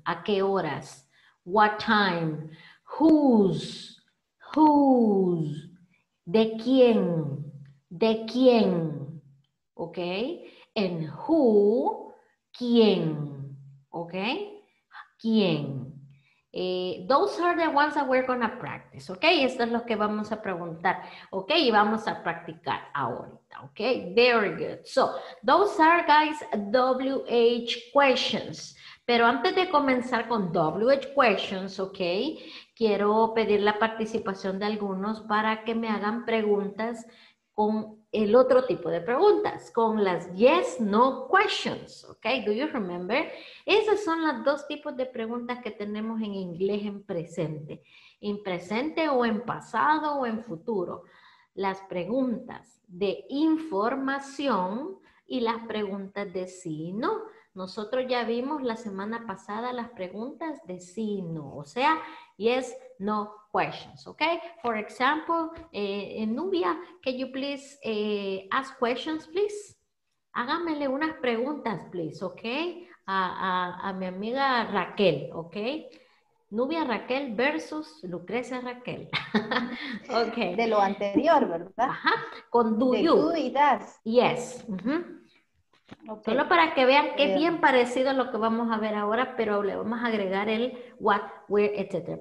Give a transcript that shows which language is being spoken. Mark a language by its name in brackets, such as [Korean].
[Spanish] ¿A qué horas? [English] What time? Whose? Whose? [Spanish] ¿De quién? ¿De quién? Ok. [English] And who? [Spanish] ¿Quién? Ok. ¿Quién? [English] Those are the ones that we're going to practice, ok? [Spanish] Estos son los que vamos a preguntar, ok? Y vamos a practicar ahorita, ok? [English] Very good. So, those are, guys, WH questions. [Spanish] Pero antes de comenzar con WH questions, ok, quiero pedir la participación de algunos para que me hagan preguntas con el otro tipo de preguntas, con las yes, no questions, ¿ok? [English] Do you remember? [Spanish] Esas son las dos tipos de preguntas que tenemos en inglés en presente. En presente o en pasado o en futuro. Las preguntas de información y las preguntas de sí y no. Nosotros ya vimos la semana pasada las preguntas de sí y no, o sea, yes, no questions, ¿ok? [English] For example, Nubia, can you please ask questions, please? [Spanish] Hágamele unas preguntas, please, ¿ok? A mi amiga Raquel, ¿ok? Nubia Raquel versus Lucrecia Raquel. Okay. De lo anterior, ¿verdad? Ajá. Con do de [English] you. [Spanish] Tú y das. Yes. Uh-huh. Okay. Solo para que vean qué bien parecido a lo que vamos a ver ahora, pero le vamos a agregar el what, where, etc.